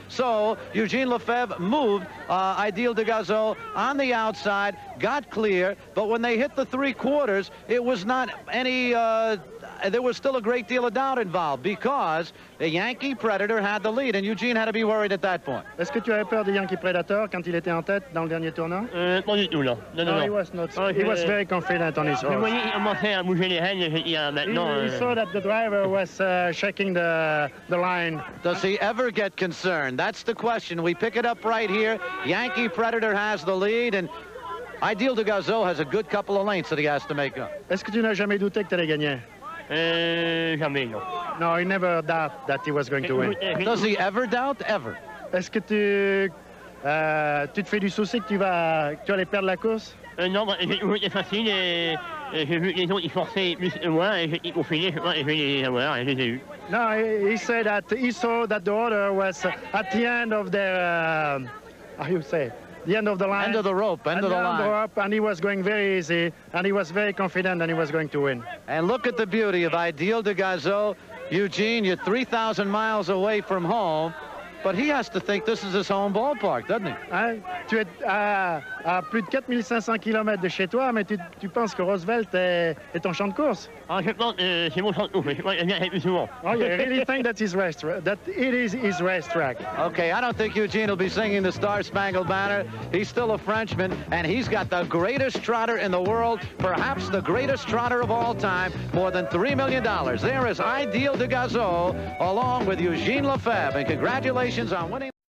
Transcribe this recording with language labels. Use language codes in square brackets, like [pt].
[en] So Eugene LeFevre moved Ideal de Gazeau on the outside, got clear, but when they hit the three quarters, it was not any... There was still a great deal of doubt involved because the Yankee Predator had the lead, and Eugene had to be worried at that point. [fr] Est-ce que tu avais peur du Yankee Predator quand il était en tête dans le dernier tournoi? Pas du tout, là. Non. [en] He was not. He was very confident on his horse. [fr] Mais voyez, il commençait à bouger les rênes, il y a maintenant. [en] He saw that the driver was shaking the line. Does he ever get concerned? That's the question. We pick it up right here. Yankee Predator has the lead, and Ideal de Gazeau has a good couple of lengths that he has to make up. [fr] Est-ce que tu n'as jamais douté que tu allais gagner? Jamais, non. [en] No, he never doubt that he was going to win. Does he ever doubt? Ever. [fr] Est-ce que tu... tu te fais du souci que tu allais perdre la course? Non, bah, j'ai trouvé facile et j'ai vu les autres forcer plus que moi et j'ai confiné, je vais les avoir et je les ai eus. [en] No, he said that he saw that the order was at the end of the... how you say? The end of the line. End of the rope, end and of the line. The rope, and he was going very easy, and he was very confident that he was going to win. And look at the beauty of Ideal de Gazeau. Eugene, you're 3,000 miles away from home, but he has to think this is his home ballpark, doesn't he? Hein? [fr] Tu es à plus de 4500 kilometers de chez toi, mais tu penses que Roosevelt est ton champ de course? Ah, je pense c'est mon champ de course. Je viens plus souvent. [en] Oh, you really think that's his racetrack? That it is his racetrack. Okay, I don't think Eugene will be singing the Star-Spangled Banner. He's still a Frenchman, and he's got the greatest trotter in the world, perhaps the greatest trotter of all time, more than $3 million. There is Ideal de Gazeau, along with Eugene LeFevre, and congratulations on winning.